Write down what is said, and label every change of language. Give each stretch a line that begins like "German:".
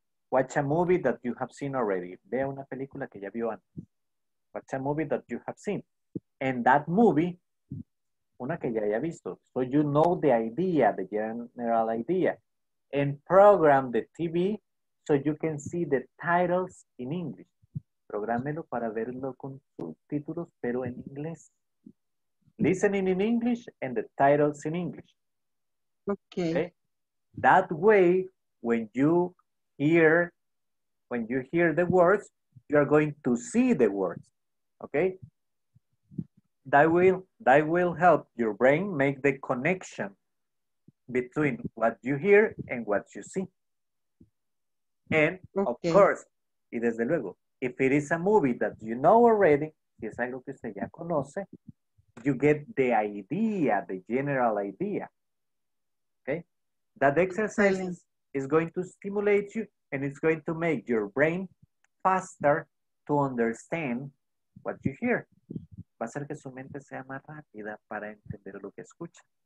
English: Watch a movie that you have seen already.
Spanish: Vea una película que ya vio antes.
English: Watch a movie that you have seen. And that movie,
Spanish: una que ya haya visto.
English: So you know the idea, the general idea. And program the TV so you can see the titles in English.
Spanish: Programelo para verlo con subtítulos, pero en inglés.
English: Listening in English and the titles in English. Okay. Okay? That way, when you hear the words, you are going to see the words. Okay? That will help your brain make the connection between what you hear and what you see. And, okay, of course,
Spanish: y desde luego,
English: if it is a movie that you know already,
Spanish: si es algo que usted ya conoce,
English: you get the idea, the general idea. Okay? That exercise is going to stimulate you, and it's going to make your brain faster to understand what you hear.
Spanish: Va a hacer que su mente sea más rápida para entender lo que escucha.